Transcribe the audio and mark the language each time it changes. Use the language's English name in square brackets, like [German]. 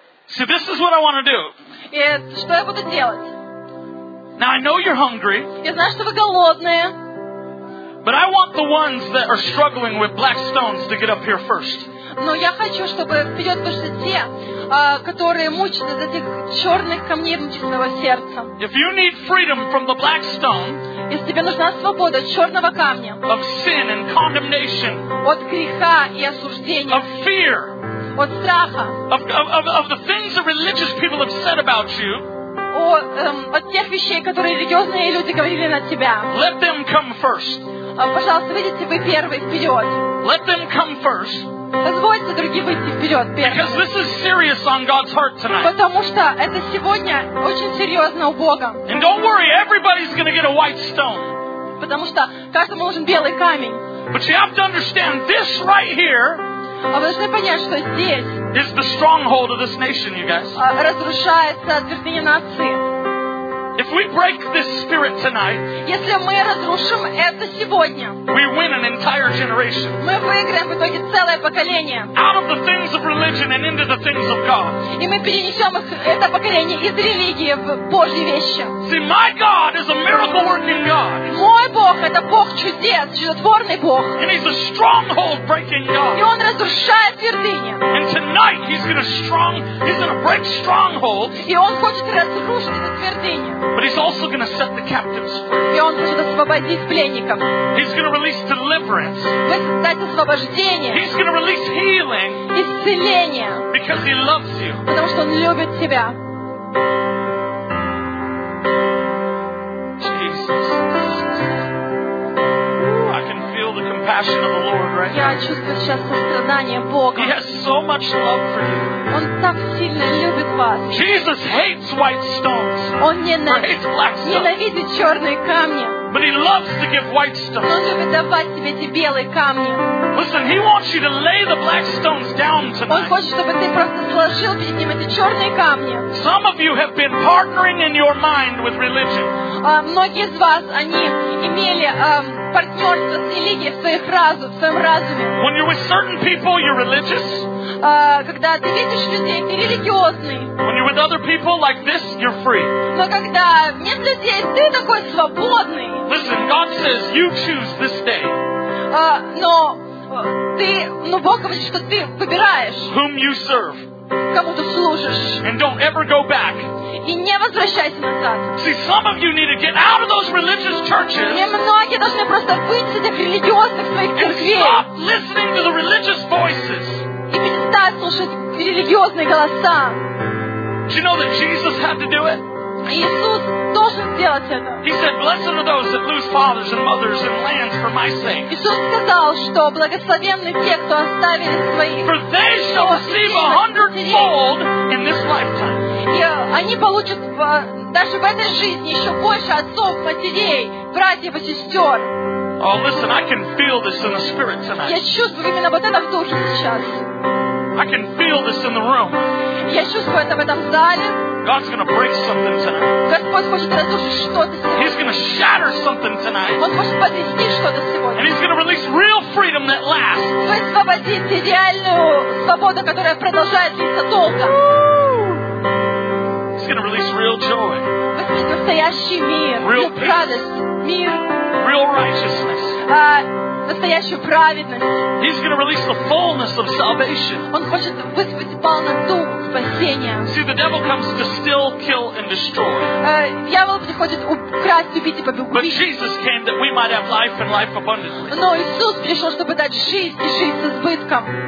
[English] So this is what I want to do. [Russian] И что я буду делать? [English] Now I know you're hungry. [Russian] Я знаю, что вы голодные. [English] But I want the ones that are struggling with black stones to get up here first. [Russian] Но я хочу, чтобы вперед вышли те, которые мучатся из этих черных камней внутреннего сердца. [English] If you need freedom from the black stone, [Russian] если тебе нужна свобода от черного камня, [English] of sin and condemnation, [Russian] от греха и осуждения, [English] of fear, [Russian] от страха, [English] of the things that religious people have said about you, [Russian] от тех вещей, которые религиозные люди говорили над тебя, [English] let them come first. [Russian] Пожалуйста, выйдите вы первый вперед. [English] Let them come first. [Russian] Позвольте другим выйти вперед. [English] Because this is serious on God's heart tonight. [Russian] Потому что это сегодня очень серьезно у Бога. [English] And don't worry, everybody's going to get a white stone. [Russian] Потому что каждому нужен белый камень. [English] But you have to understand this right here. [Russian] А вы должны понять, что здесь. [English] Is the stronghold of this nation, you guys. [Russian] Разрушается твердыня нации. [English] If we break this spirit tonight, [Russian] если мы разрушим это сегодня, [English] we win an entire generation. [Russian] Мы выиграем в итоге целое поколение. [English] Out of the things of religion and into the things of God. [Russian] И мы перенесем это поколение из религии в Божьи вещи. [English] See, my God is a miracle-working God. [Russian] Мой Бог — это Бог чудес, чудотворный Бог. [English] And He's a stronghold-breaking God. [Russian] И Он разрушает твердыни. [English] And tonight He's gonna break strongholds. [Russian] И Он хочет разрушить эту твердыню. [English] But he's also going to set the captives free. [Russian] И он хочет освободить пленников. [English] He's going to release deliverance. [Russian] Высвободить освобождение. [English] He's going to release healing. [Russian] Исцеление. [English] Because he loves you. [Russian] Потому что он любит тебя. [English] Jesus. I can feel the compassion of the Lord right now. [Russian] Я чувствую сейчас сострадание Бога. [English] He has so much love for you. [Russian] Он так сильно любит вас. [English] Jesus hates white stones. [Russian] Он ненавидит черные камни. [English] But he loves to give white stones. [Russian] Он любит давать тебе эти белые камни. [English] Listen, he wants you to lay the black stones down tonight. [Russian] Он хочет, чтобы ты просто сложил перед ним эти черные камни. [English] Some of you have been partnering in your mind with religion. [Russian] Многие из вас, они имели партнерство с религией в своем разуме. [English] When you're with certain people, you're religious. [Russian] Когда ты видишь людей, ты религиозный. [English] When you're with other people like this, you're free. [Russian] Но когда нет людей, ты такой свободный. [English] Listen, God says you choose this day. [Russian] Но Бог говорит, что ты выбираешь. [English] Whom you serve. [Russian] Кому ты служишь. [English] And don't ever go back. [Russian] И не возвращайся назад. [English] See, some of you need to get out of those religious churches. [Russian] И многие должны просто выйти из этих религиозных своих церквей. [English] And stop listening to the religious voices. [Russian] И перестать слушать религиозные голоса. [English] Do you know that Jesus had to do it? [Russian] Иисус должен сделать это. [English] He said, "Blessed are those that lose fathers and mothers and lands for my sake." [Russian] Иисус сказал, что благословенны те, кто оставили свои. [English] For they shall receive a hundredfold in this lifetime. [Russian] И они получат даже в этой жизни еще больше отцов, матерей, братьев и сестер. [English] Oh, listen, I can feel this in the spirit tonight. [Russian] Я чувствую именно вот это в духе сейчас. [English] I can feel this in the room. [Russian] Я чувствую это в этом зале. [English] God's going to break something tonight. [Russian] Господь хочет разрушить что-то сегодня. [English] He's going to shatter something tonight. [Russian] Он хочет потрясти что-то сегодня. [English] And he's going to release real freedom that lasts. [Russian] Высвободить реальную свободу, которая продолжает длиться долго. [English] He's going to release real joy. [Russian] Высвободить настоящий мир. [English] Real peace. [Russian] Радость, мир. [English] Real righteousness. [Russian] Настоящую праведность. [English] He's going to release the fullness of salvation. [Russian] Он хочет вызвать полноту спасения. [English] See, the devil comes to steal, kill, and destroy. [Russian] Дьявол приходит украсть, убить и побить. [English] But Jesus came that we might have life and life abundantly. [Russian] Но Иисус пришел, чтобы дать жизнь и жизнь с избытком.